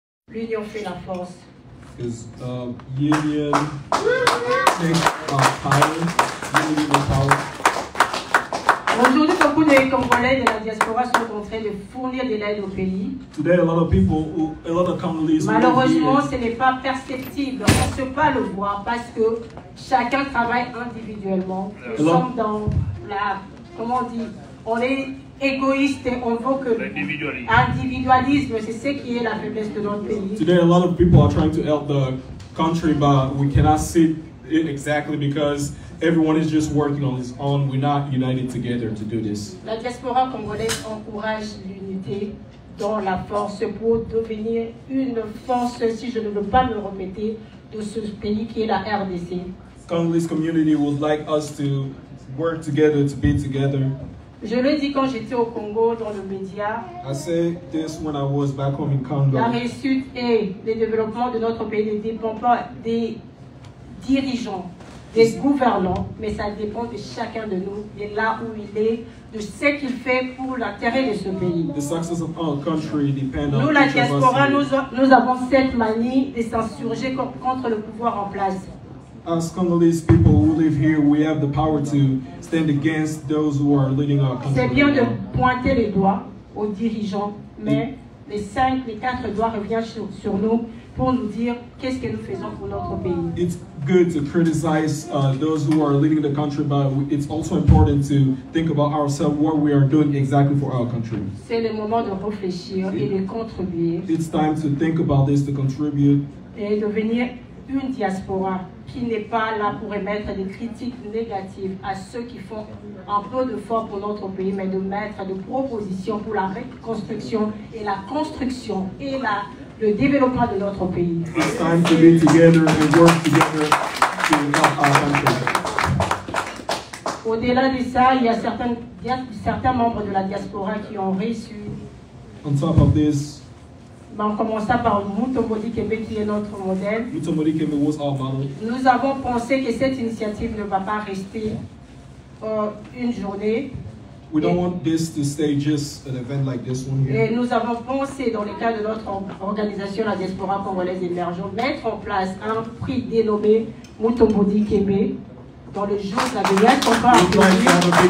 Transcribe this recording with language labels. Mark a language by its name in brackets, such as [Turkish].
[French] L'union fait la force. [English] Union makes power. Union power. [French] Aujourd'hui, beaucoup de Congolais de la diaspora sont en train de fournir de l'aide au pays. [English] Today, a lot of people, a lot of Congolese. [French] Malheureusement, ce n'est pas perceptible. On ne peut pas le voir parce que chacun travaille individuellement. Nous sommes dans la, comment on dit, on est égoïste et on veut que l'individualisme, c'est ce qui est la faiblesse de notre pays. [English] Today, a lot of people are trying to help the country, but we cannot see it exactly because everyone is just working on his own. We're not united together to do this. [French] La diaspora congolaise encourage l'unité dans la force pour devenir une force, si je ne veux pas me répéter, de ce pays qui est la RDC. [English] Congolese community would like us to work together, to be together. [French] Je le dis quand j'étais au Congo dans le média. [English] I said this when I was back home in Congo. [French] La réussite et le développement de notre pays ne dépend pas des dirigeants, des gouvernants, mais ça dépend de chacun de nous, de là où il est, de ce qu'il fait pour l'intérêt de ce pays. [English] The success of our country depends [French] on nous, la diaspora, nous avons cette manie de s'insurger contre le pouvoir en place. [English] As Congolese people who live here, we have the power to stand against those who are leading our country. [French] C'est bien de pointer les doigts aux dirigeants, mais les quatre doigts reviennent sur nous pour nous dire qu'est-ce que nous faisons pour notre pays. [English] It's good to criticize those who are leading the country, but it's also important to think about ourselves, what we are doing exactly for our country. [French] C'est le moment de réfléchir et de contribuer. [English] It's time to think about this, to contribute. [French] Et devenir une diaspora qui n'est pas là pour émettre des critiques négatives à ceux qui font un peu de fort pour notre pays, mais de mettre des propositions pour la reconstruction et la construction et la le développement de notre pays. [English] It's time to be together and work together to help our country. [French] Au-delà de ça, il y a certains membres de la diaspora qui ont reçu. [English] On top of this, [French] ben on commença par Mutombo Dikembe qui est notre modèle. [English] Mutombo Dikembe was our model. [French] Nous avons pensé que cette initiative ne va pas rester une journée. [English] We don't want this to stay just an event like this one here. [French] Et nous avons pensé, dans le cadre de notre organisation, la diaspora congolaise émergente, mettre en place un prix dénommé Mutombo Dikembe dans le jour de la dernière